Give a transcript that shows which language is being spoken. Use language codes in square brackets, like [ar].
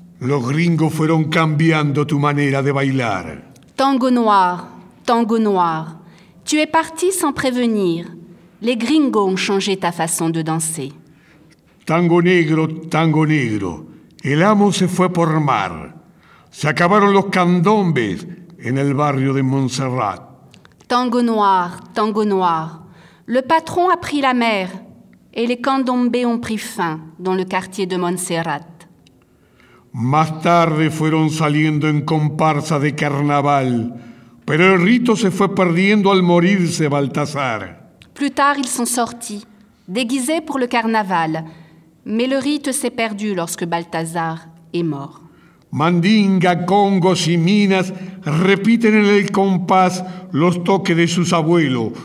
[es] Los gringos fueron cambiando tu manera de bailar. [fr] Tango noir, tu es parti sans prévenir. Les gringos ont changé ta façon de danser. [es] Tango negro, el amo se fue por mar. Se acabaron los candombes en el barrio de Montserrat. [fr] Tango noir, le patron a pris la mer et les candombes ont pris fin dans le quartier de Montserrat. [es] Más tarde fueron saliendo en comparsa de carnaval, pero el rito se fue perdiendo al morirse Baltasar. [fr] Plus tard, ils sont sortis, déguisés pour le carnaval, mais le rite s'est perdu lorsque Baltasar est mort. [es] Mandinga, congos y minas repiten en el compás los toques de sus abuelos.